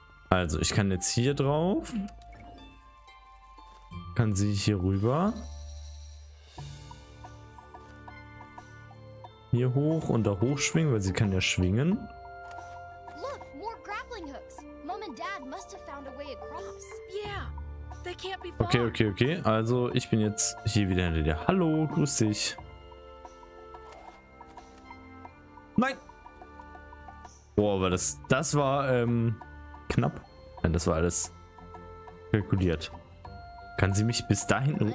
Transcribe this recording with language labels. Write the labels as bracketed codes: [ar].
[de] Also, ich kann jetzt hier drauf. Kann sie hier rüber. Hier hoch und da hoch schwingen, weil sie kann ja schwingen. [en] Look, more grappling hooks. Mom and Dad must have found a way across. Yeah, they can't be far. Okay, okay, okay. [de] Also ich bin jetzt hier wieder hinter dir. Hallo, grüß dich. Nein! Boah, aber das war knapp. Nein, das war alles kalkuliert. Kann sie mich bis dahin...